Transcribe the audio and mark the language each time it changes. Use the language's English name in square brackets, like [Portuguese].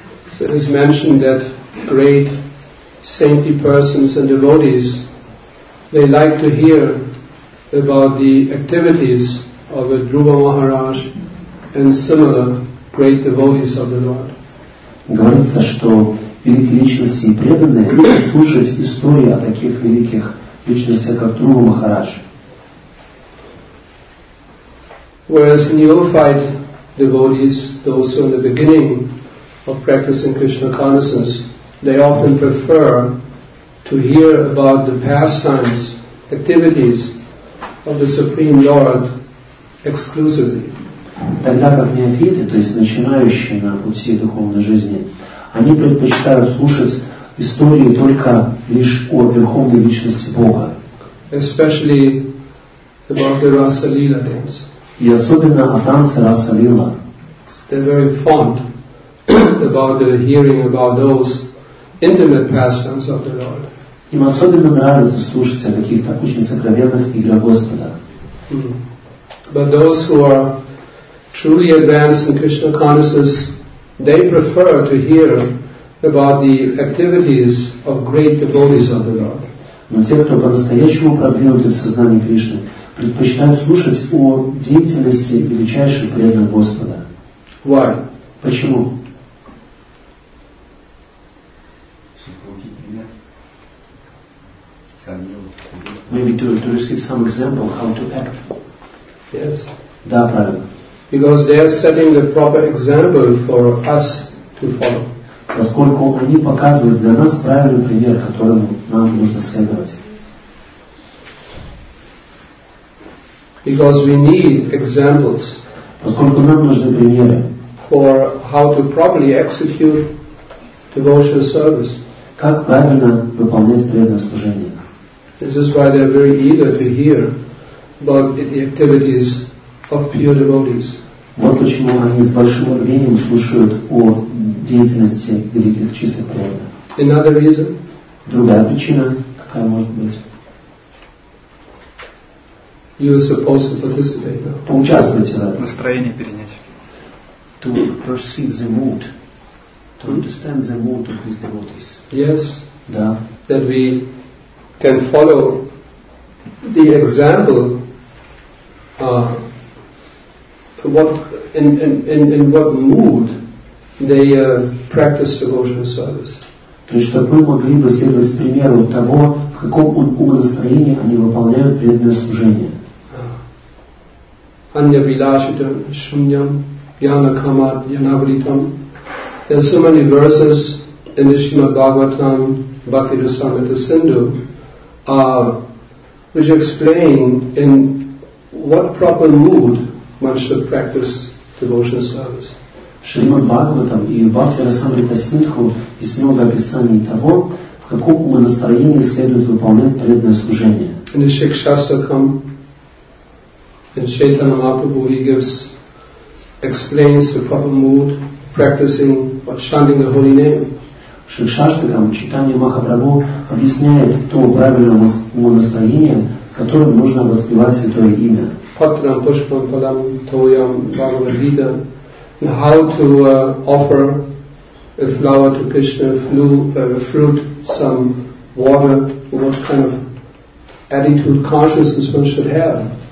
[English] So it is mentioned that great saintly persons and devotees, they like to hear about the activities of a Dhruva Maharaj and similar great devotees of the Lord. [Russian] Говорится, что великие личности и преданные любят слушать истории о таких великих личностях, как Дхрува Махарадж. [English] Whereas neophyte devotees, those who are in the beginning of practicing Krishna consciousness, they often prefer to hear about the pastimes, activities of the Supreme Lord exclusively. [Russian] Тогда как неофиты, то есть начинающие на пути духовной жизни, они предпочитают слушать истории только лишь о Верховной Личности Бога. [English] Especially about the Rasa Lila dance. [Russian] И особенно о танце Раса Лила. [English] They're very fond about the hearing about those intimate pastimes of the Lord. [Russian] Им особенно нравится слушать о каких-то очень сокровенных играх Господа. [English] But those who are truly advanced in Krishna consciousness, they prefer to hear about the activities of great devotees of the Lord. [Russian] Но те, кто по-настоящему продвинуты в сознании Кришны, предпочитают слушать о деятельности величайших преданных Господа. [English] Why? [Russian] Почему? [English] Maybe to receive some example how to act. Yes. [Russian] Да, правильно. [English] Because they are setting the proper example for us to follow. [Russian] Поскольку они показывают для нас правильный пример, которым нам нужно следовать. [English] Because we need examples. [Russian] Поскольку нам нужны примеры. [English] For how to properly execute devotional service. [Russian] Как правильно выполнять преданное служение. [English] This is why they are very eager to hear about the activities of pure devotees. [Russian] Вот почему они с большим рвением слушают о деятельности великих чистых преданных. [English] Another reason? [Russian] Другая причина, какая может быть? [English] You are supposed to participate now. [Russian] Поучаствуйте, да. Настроение перенять. [English] To perceive the mood, to understand the mood of these devotees. Yes. [Russian] Да. [English] That we can follow the example what in what mood they practice devotional service. [Russian] То есть, чтобы мы могли бы следовать примеру того, в каком настроении они выполняют преданное служение. [Sanskrit] Anya vilashitam shunyam jnana kamat janavritam. [English] There are so many verses in the Srimad Bhagavatam Bhakti Rasamrita Sindhu which explain in what proper mood one should practice devotional service. [Russian] Шримад Бхагаватам и Бхакти Расамрита Синдху есть много описаний того, в каком умонастроении следует выполнять преданное служение. [English] In the Shikshastakam, in Chaitanya Mahaprabhu, he gives, explains the proper mood, practicing or chanting the holy name. [Russian] Шикшаштакам, читание Махапрабху, объясняет то правильное умонастроение, с которым нужно воспевать Святое Имя. [Sanskrit] Патрам, Пушпам, Палам, Тойам, Бхагавадгита. [English] And how to offer a flower to Krishna, fruit, some water, what kind of attitude, consciousness one should have.